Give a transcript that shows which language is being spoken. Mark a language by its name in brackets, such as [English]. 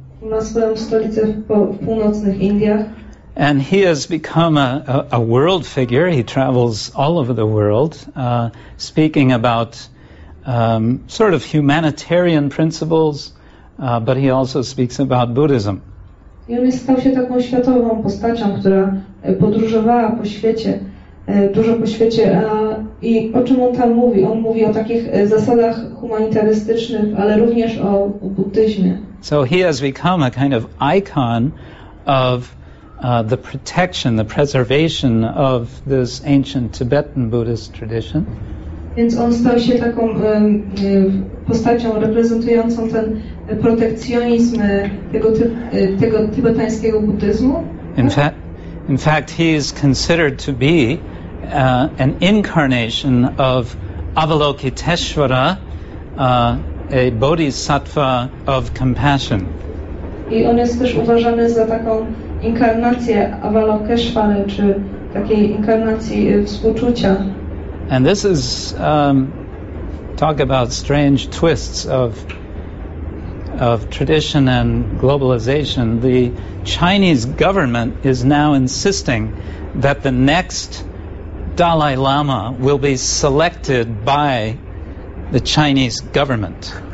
[Polish] Ma swoją stolicę w północnych Indiach. [English] And he has become a world figure. He travels all over the world, speaking about sort of humanitarian principles, but he also speaks about Buddhism. [Polish] I on stał się taką światową postacią, która podróżowała po świecie, dużo po świecie. I o czym on tam mówi? On mówi o takich zasadach humanitarystycznych, ale również o buddyzmie. [English] So he has become a kind of icon of the protection, the preservation of this ancient Tibetan Buddhist tradition. [Polish] Więc on stał się taką postacią reprezentującą ten protekcjonizm tego tybetańskiego buddyzmu. [English] In fact, he is considered to be an incarnation of Avalokiteshvara, a bodhisattva of compassion. [Polish] I on jest też uważany za taką inkarnację Avalokiteshvary, czy takiej inkarnacji współczucia. [English] And this is talk about strange twists of tradition and globalization. The Chinese government is now insisting that the next Dalai Lama will be selected by the Chinese government.